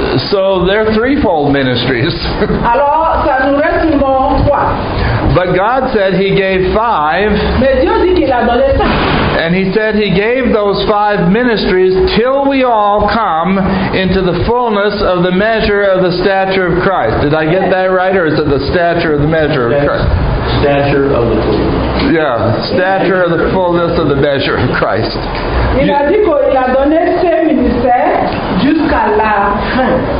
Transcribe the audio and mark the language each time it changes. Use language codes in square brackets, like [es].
[en] So there are threefold ministries. [fr] Alors, ça nous reste seulement trois. [en] But God said He gave five. [fr] Mais Dieu dit qu'il a donné ça. [en] And He said He gave those five ministries till we all come into the fullness of the measure of the stature of Christ. Did I get that right, or is it the stature of the measure of Christ? Stature of the fullness. Yeah, stature of the fullness of the measure of Christ. [fr] Il a dit qu'il a donné ses ministères jusqu'à la fin.